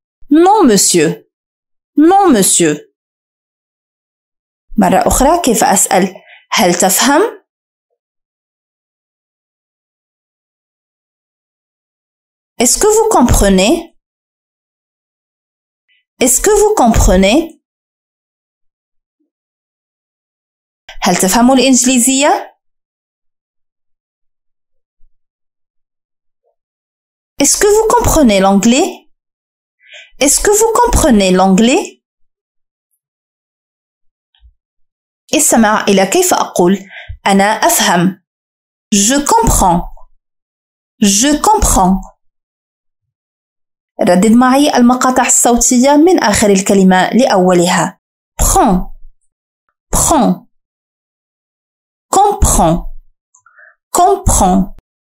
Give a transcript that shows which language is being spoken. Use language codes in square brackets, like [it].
[fr] Non, monsieur. Non, monsieur. [ar] مرة أخرى. كيف أسأل؟ هل تفهم؟ [fr] Est-ce que vous comprenez? Est-ce que vous comprenez? [ar] هل تفهم الإنجليزية؟ [fr] Est-ce que vous comprenez l'anglais? Est-ce que vous comprenez l'anglais? [ar] استمع إلى كيف أقول أنا أفهم. [fr] Je comprends. Je comprends. [ar] ردد معي المقاطع الصوتية من آخر الكلمة لأولها. [fr] Prends. Prends. Comprends. Comprends.